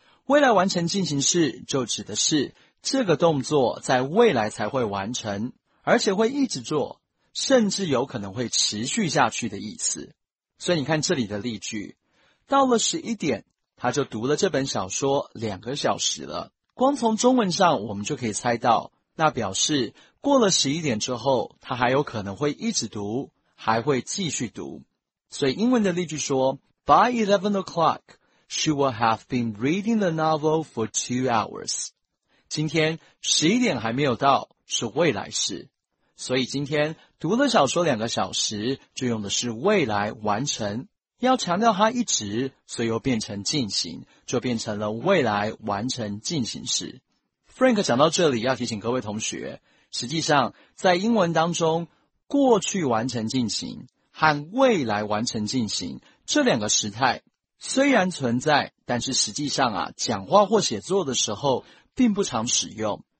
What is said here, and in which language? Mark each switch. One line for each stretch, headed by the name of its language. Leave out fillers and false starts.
Chinese: 未来完成进行式就指的是这个动作在未来才会完成，而且会一直做，甚至有可能会持续下去的意思。所以你看这里的例句，到了11点他就读了这本小说2个小时了，光从中文上我们就可以猜到那表示过了11点之后他还有可能会一直读，还会继续读。所以英文的例句说
English: By 11 o'clock she will have been reading the novel for 2 hours。
Chinese: 今天11点还没有到是未来式，所以今天读了小说两个小时，就用的是未来完成。要强调它一直，所以又变成进行，就变成了未来完成进行式。 Frank 讲到这里，要提醒各位同学，实际上在英文当中，过去完成进行和未来完成进行这两个时态虽然存在，但是实际上啊，讲话或写作的时候并不常使用。